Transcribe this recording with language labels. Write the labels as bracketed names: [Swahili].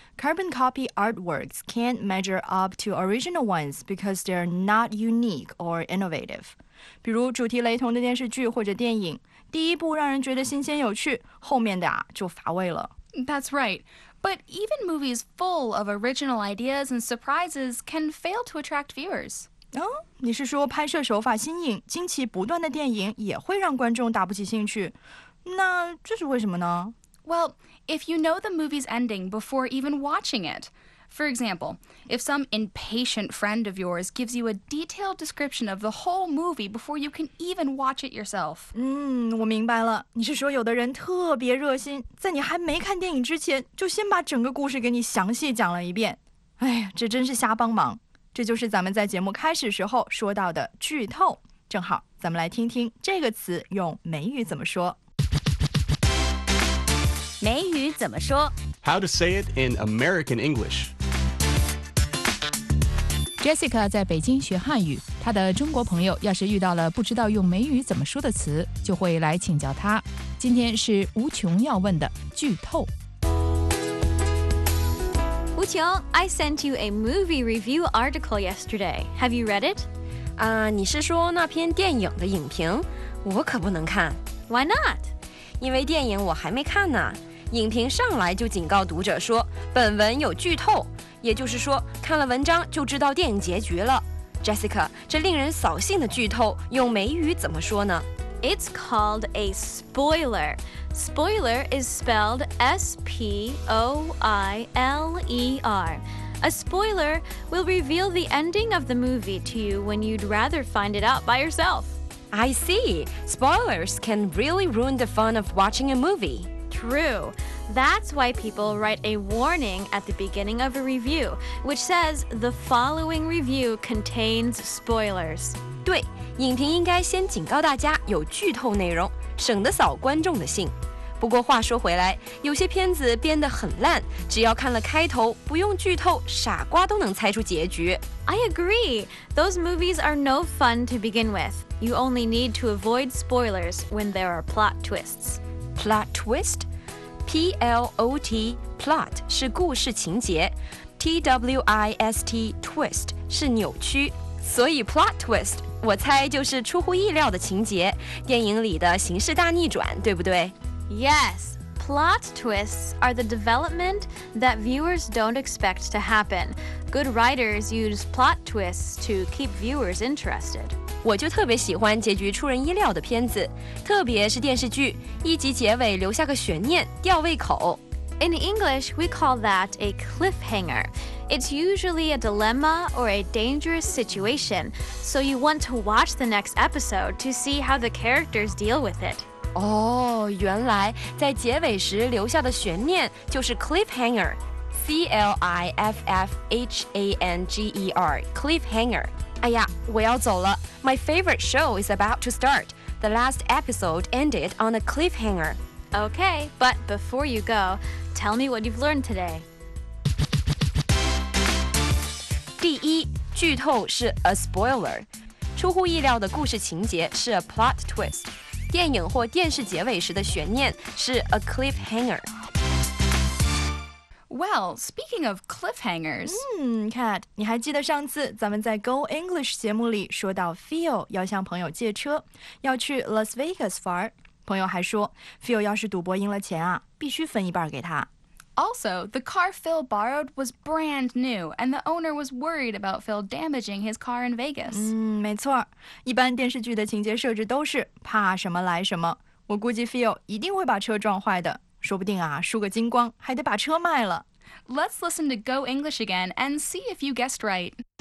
[English] Carbon copy artworks can't measure up to original ones because they're not unique or innovative. [Chinese] 比如主题雷同的电视剧或者电影，第一部让人觉得新鲜有趣，后面的就乏味了。 [English] That's right. But even movies full of original ideas and surprises can fail to attract viewers. [Chinese] 你是说拍摄手法新颖、惊奇不断的电影也会让观众打不起兴趣？那这是为什么呢？ [English] Well, if you know the movie's ending before even watching it. For example, if some impatient friend of yours gives you a detailed description of the whole movie before you can even watch it yourself. [Chinese] 我明白了。你是说有的人特别热心，在你还没看电影之前，就先把整个故事给你详细讲了一遍。哎呀，这真是瞎帮忙。这就是咱们在节目开始时候说到的剧透。正好，咱们来听听这个词用美语怎么说。美语怎么说 [English] How to say it in American English. [Chinese] Jessica 在北京学汉语，她的中国朋友要是遇到了不知道用美语怎么说的词，就会来请教她。今天是无穷要问的剧透。 [English] 无穷 I sent you a movie review article yesterday. Have you read it? [Chinese] 你是说那篇电影的影评？我可不能看。 [English] Why not? [Chinese] 因为电影我还没看呢，影评上来就警告读者说本文有剧透，也就是说看了文章就知道电影结局了。 Jessica， 这令人扫兴的剧透用美语怎么说呢？ [English] It's called a spoiler. Spoiler is spelled S-P-O-I-L-E-R. A spoiler will reveal the ending of the movie to you when you'd rather find it out by yourself. I see. Spoilers can really ruin the fun of watching a movie. True. That's why people write a warning at the beginning of a review, which says the following review contains spoilers. [Chinese] 对，影评应该先警告大家有剧透内容，省得扫观众的兴。不过话说回来，有些片子编得很烂，只要看了开头，不用剧透，傻瓜都能猜出结局。 [English] I agree. Those movies are no fun to begin with. You only need to avoid spoilers when there are plot twists. [Chinese] Plot twist? P-L-O-T, plot, 是故事情节。 T-W-I-S-T, twist, 是扭曲。所以 plot twist, 我猜就是出乎意料的情节，电影里的形式大逆转，对不对？ [English] Yes, plot twists are the development that viewers don't expect to happen. Good writers use plot twists to keep viewers interested. [Chinese] 我就特别喜欢结局出人意料的片子，特别是电视剧，一集结尾留下个悬念，吊胃口。 [English] In English, we call that a cliffhanger. It's usually a dilemma or a dangerous situation, so you want to watch the next episode to see how the characters deal with it. [Chinese] 哦，原来在结尾时留下的悬念就是 cliffhanger，C-L-I-F-F-H-A-N-G-E-R， cliffhanger。哎呀，我要走了。 [English] My favorite show is about to start. The last episode ended on a cliffhanger. Okay, but before you go, tell me what you've learned today. [Chinese] 第一，剧透是 a spoiler， 出乎意料的故事情节是 a plot twist。电影或电视结尾时的悬念是 a cliffhanger. [English] Well, speaking of cliffhangers, [Chinese] Kat, 你还记得上次咱们在 Go English 节目里说到 Phil 要向朋友借车，要去 Las Vegas 玩。朋友还说 ，Phil 要是赌博赢了钱啊，必须分一半给他。 [English] Also, the car Phil borrowed was brand new, and the owner was worried about Phil damaging his car in Vegas. [Chinese] 没错，一般电视剧的情节设置都是怕什么来什么。我估计 Phil 一定会把车撞坏的，说不定啊，输个精光，还得把车卖了。 [English] Let's listen to Go English again and see if you guessed right.